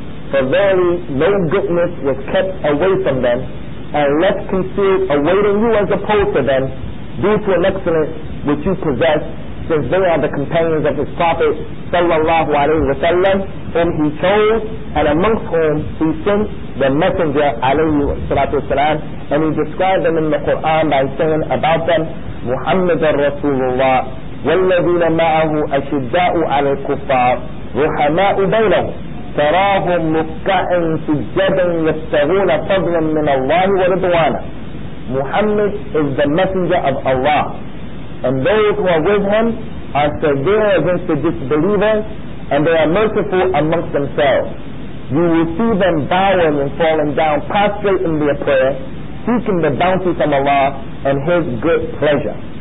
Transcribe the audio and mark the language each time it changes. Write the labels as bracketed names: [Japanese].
[English] For verily, no goodness was kept away from them and left concealed awaiting you as opposed to them due to an excellence which you possess, since they are the companions of his Prophet [Arabic] sallallahu alayhi wa sallam, [English] whom he chose and amongst whom he sent the Messenger [Arabic] alayhi salatu wasalam. [English] And he described them in the Quran by saying about them, [Arabic] Muhammad al-Rasulullah والذين معه أشداء على الكفار رحماء بينهم تراهم ركعا سجدا يبتغون فضلا من الله ورضوانا. [English] Muhammad is the messenger of Allah, and those who are with him are severe against the disbelievers, and they are merciful amongst themselves. You will see them bowing and falling down, prostrate in their prayer, seeking the bounty from Allah and his good pleasure.